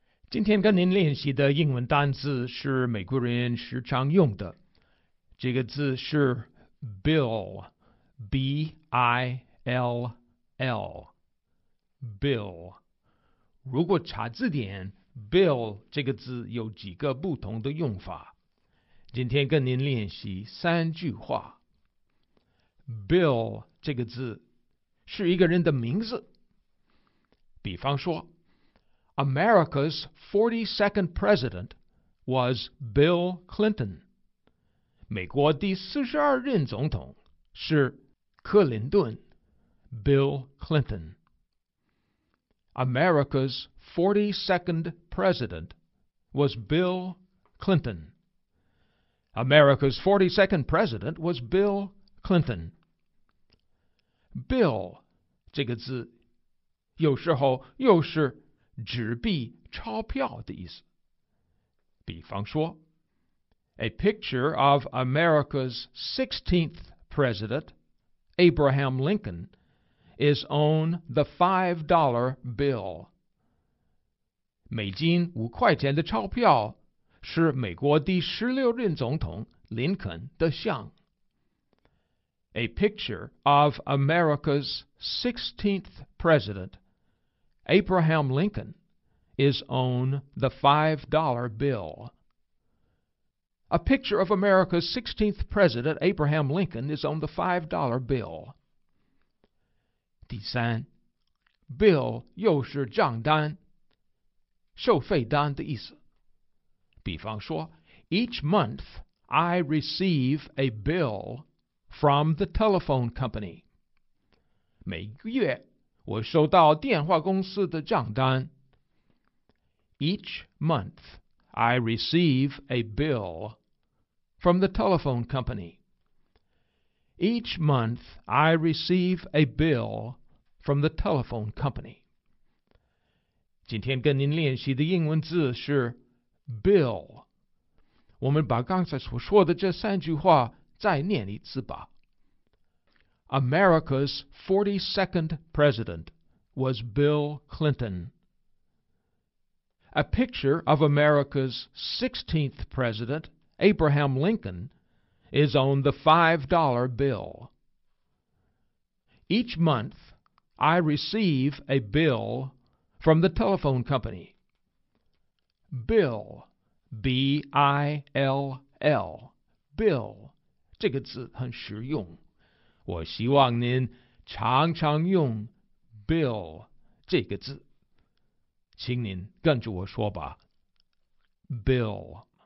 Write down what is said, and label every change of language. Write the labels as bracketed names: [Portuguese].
[Chinese] 今天跟您练习的英文单字是美国人时常用的，这个字是 bill， B-I-L-L， bill。如果查字典， bill 这个字有几个不同的用法，今天跟您练习三句话。 bill 这个字是一个人的名字，比方说 [English] America's 42nd president was Bill Clinton. [Chinese] 美国第42任总统是克林顿， Bill Clinton. [English] America's 42nd president was Bill Clinton. America's 42nd president was Bill Clinton. [Chinese] Bill 这个字有时候又是纸币、钞票的意思。比方说 [English] ，A picture of America's 16th president, Abraham Lincoln, is on the $5 bill. [Chinese] 美金五块钱的钞票是美国第16任总统林肯的像。 [English] A picture of America's 16th president, Abraham Lincoln. Is on the $5 bill. A picture of America's 16th president, Abraham Lincoln, is on the $5 bill. [Chinese] 第三 ，bill 又是账单、收费单的意思。比方说 [English] ，Each month I receive a bill from the telephone company. [Chinese] 每个月我收到电话公司的账单。 [English] Each month, I receive a bill from the telephone company. Each month, I receive a bill from the telephone company. [Chinese] 今天跟您练习的英文字是 bill. 我们把刚才所说的这三句话再念一次吧。 [English] America's 42nd president was Bill Clinton. A picture of America's 16th president, Abraham Lincoln, is on the $5 bill. Each month, I receive a bill from the telephone company. [Chinese] Bill, B-I-L-L, bill, 这个字很实用。我希望您常常用 bill 这个字。请您跟着我说吧 ，Bill。